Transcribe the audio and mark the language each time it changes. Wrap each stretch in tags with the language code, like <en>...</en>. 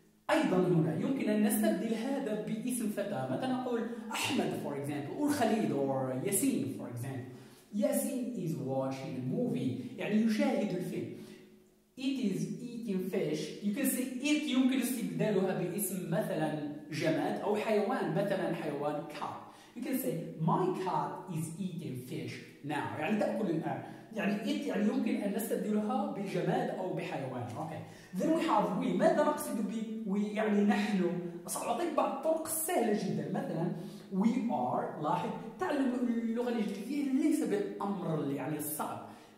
<ar>أيضا هنا يمكن أن نستبدل هذا باسم فتاة مثلا نقول أحمد</ar> <en>for example</en> <ar>أو الخليل أو ياسين for example.</ar> <en>Yasin is watching a movie</en> <ar>يعني يشاهد الفيلم.</ar> <en>It is eating fish. You can say it.</en> <ar>يمكن استبدالها باسم مثلا جماد أو حيوان مثلا حيوان cat.</ar> <en>You can say my cat is eating fish now.</en> <ar>يعني تأكل الآن. يعني it يعني يمكن أن نستبدلها بجماد أو بحيوان.</ar> <en>Okay. Then we have we.</en> <ar>ماذا نقصد ب we يعني نحن؟ سأعطيك بعض الطرق سهلة جدا. مثلا</ar> <en>we are.</en> <ar>لاحظ تعلم اللغة الإنجليزية ليس بالأمر يعني الصعب.</ar>